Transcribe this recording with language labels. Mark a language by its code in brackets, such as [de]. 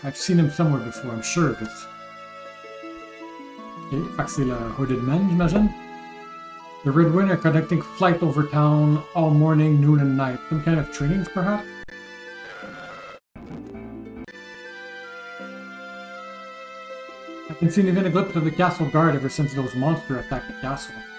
[en] I've seen him somewhere before, I'm sure, but. [fr] Ok, fait que c'est le Hooded Man, j'imagine? [en] The Red Wing are conducting flight over town all morning, noon, and night. Some kind of trainings, perhaps? I haven't seen even a glimpse of the castle guard ever since those monsters attacked the castle.